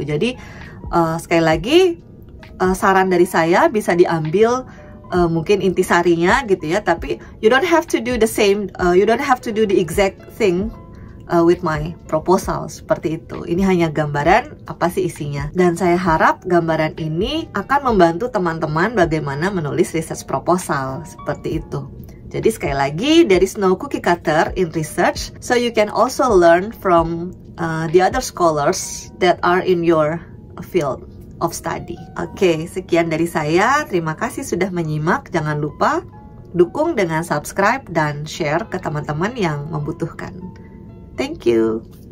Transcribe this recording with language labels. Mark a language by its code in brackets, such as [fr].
[id] Jadi sekali lagi saran dari saya bisa diambil mungkin intisarinya gitu ya, tapi [en] you don't have to do the same, you don't have to do the exact thing with my proposal, [id] seperti itu. Ini hanya gambaran apa sih isinya, dan saya harap gambaran ini akan membantu teman-teman bagaimana menulis research proposal, seperti itu. Jadi sekali lagi, [en] there is no cookie cutter in research, so you can also learn from the other scholars that are in your field of study. [id] Oke, sekian dari saya. Terima kasih sudah menyimak. Jangan lupa dukung dengan subscribe dan share ke teman-teman yang membutuhkan. [en] Thank you.